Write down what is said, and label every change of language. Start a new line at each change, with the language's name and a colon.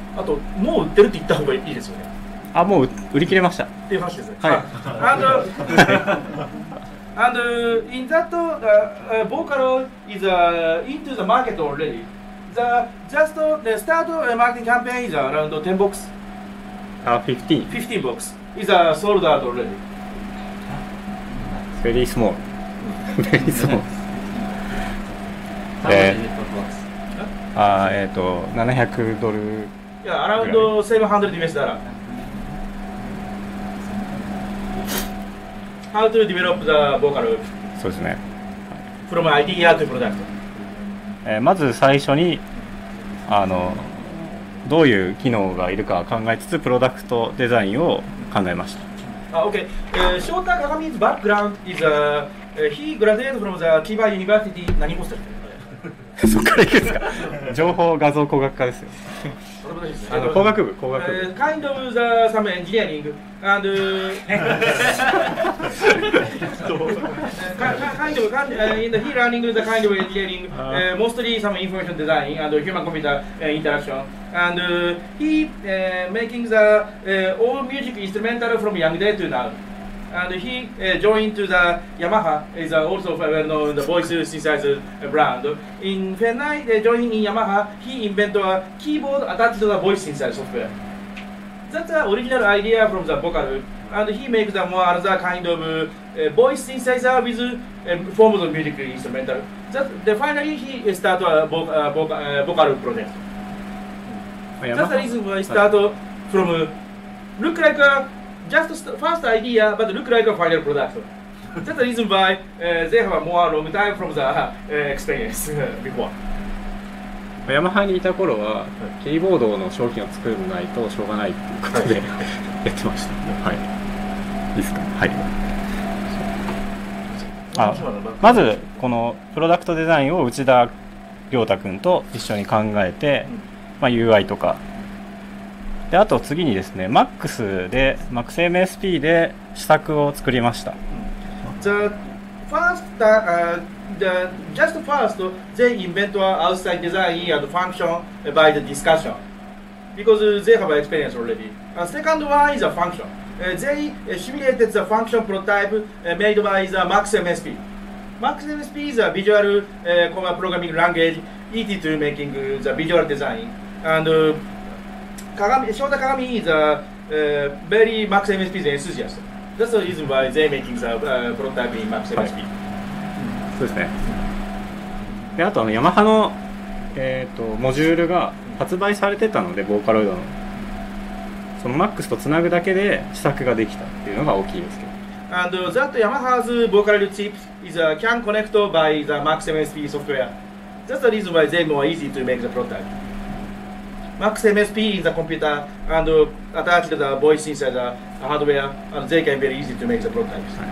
Japanese: あと、もう売ってるって言った方がいいですよね。あ、もう売り切れました。っていう話です。はい。
English: And in that, VOCALOID is into the market already. The just the start marketing campaign is around 10 box. 15. 15 box. Is sold out already. Very small. Very small. $700. Yeah, around $700. How to develop the VOCALOOP?
Japanese: そうですね。
English: From idea to product.
Japanese: まず最初にどういう機能がいるか考えつつプロダクトデザインを考えました。
English: Okay. Shota Kagami's background is he graduated from the Kiba University.
Japanese: 何をしてる？そこから行くんですか？情報画像工学科ですよ。工学部。
English: Kind of the some engineering and kind of in the he learning the kind of engineering mostly some information design and human computer interaction and he making the all music instrumental from young day to now and he joined to the Yamaha is also well known the voice synthesizer brand. In Fennai, joining in Yamaha, he invented a keyboard attached to the voice synthesizer software. That's that's the original idea from the VOCALOOP. And he makes the more other kind of voice synthesizer with forms of music instrumental. Finally, he started VOCALOOP project. That's the reason why I started from look like a just first idea, but look like a final production. That's the reason why they have a more long time from the experience before.
Japanese: ヤマハにいた頃はキーボードの商品を作らないとしょうがないっていうことでやってました。はい。いいですか。はい。あ、まずこのプロダクトデザインを内田亮太くんと一緒に考えて、まあ、UI とか。で、あと次にですね、Max で Max MSP で試作を作りました。
English: The first just first, they invent outside design and function by the discussion because they have experience already. Second one is a function. They simulated the function prototype made by the MaxMSP. MaxMSP is a visual programming language, easy to making the visual design. And Shota Kagami is a very MaxMSP enthusiast. That's the reason why they making the prototype in MaxMSP.
Japanese: そうですね、であとあのヤマハの、モジュールが発売されてたのでボーカロイドのその MAX とつなぐだけで試作ができたっていうのが大きいですけど
English: And that Yamaha's vocaloid chip is a can connect by the MAXMSP software. That's the reason why they more easy to make the prototype. MAXMSP is the computer and attached the voice inside the hardware and they can very easy to make the prototype.